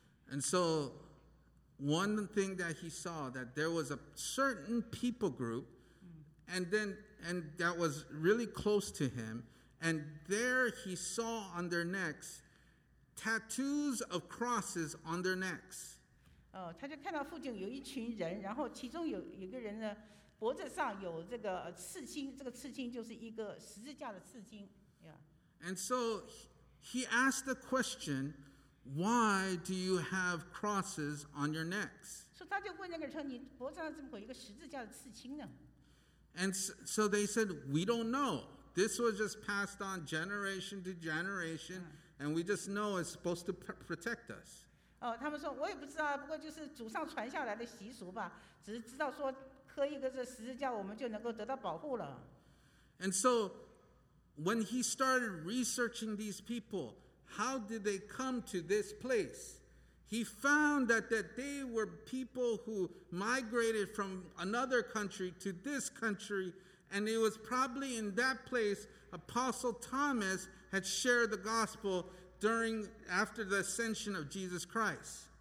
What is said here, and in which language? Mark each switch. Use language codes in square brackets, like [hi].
[en] And so one thing that he saw that there was a certain people group, and that was really close to him. And there he saw on their necks tattoos of crosses on their necks. [zh] Oh, 他就看到附近有一群人，然后其中有一个人的脖子上有这个刺青，这个刺青就是一个十字架的刺青。Yeah. [en] And so he asked the question, why do you have crosses on your necks? [zh] 所以他就问那个人说，你脖子上怎么会有一个十字架的刺青呢？ [en] And so they said, we don't know. This was just passed on generation to generation, and we just know it's supposed to protect us. [zh] Oh, 他们说我也不知道，不过就是祖上传下来的习俗吧。只是知道说刻一个这十字架，我们就能够得到保护了。And [en] so, when he started researching these people, how did they come to this place? He found that they were people who migrated from another country to this country. And it was probably in that place Apostle Thomas had shared the gospel after the ascension of Jesus Christ.